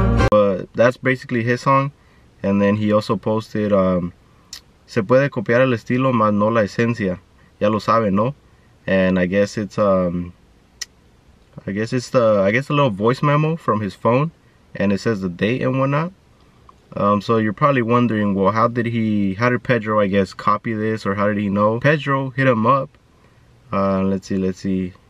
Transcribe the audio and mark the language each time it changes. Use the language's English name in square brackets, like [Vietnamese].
[English] But that's basically his song. And then he also posted, [Spanish] se puede copiar el estilo mas no la esencia, ya lo saben, no. [English] And I guess it's the little voice memo from his phone, and it says the date and whatnot. So you're probably wondering, well, how did Pedro, I guess, copy this, or how did he know? Pedro hit him up. Let's see.